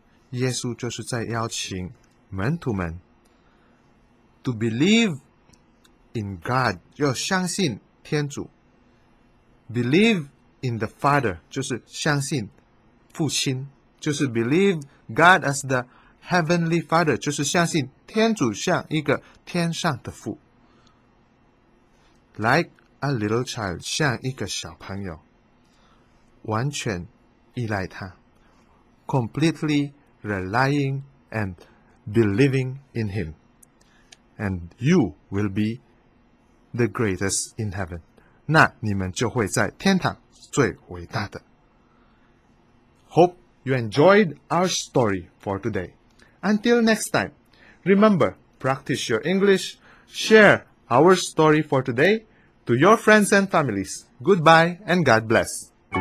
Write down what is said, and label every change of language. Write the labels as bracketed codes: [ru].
[zh] 耶稣就是在邀请门徒们 [en] to believe in God, [zh] 要相信天主， [en] believe in the Father, [zh] 就是相信父亲，就是 [en] believe God as the Heavenly Father, [zh] 就是相信天主像一个天上的父。 [en] Like a little child, [zh] 像一个小朋友，完全依赖他， [en] Completely relying and believing in him. And you will be the greatest in heaven. [zh] 那你们就会在天堂最伟大的。 [en] Hope you enjoyed our story for today. Until next time, remember, practice your English, share our story for today to your friends and families. Goodbye and God bless.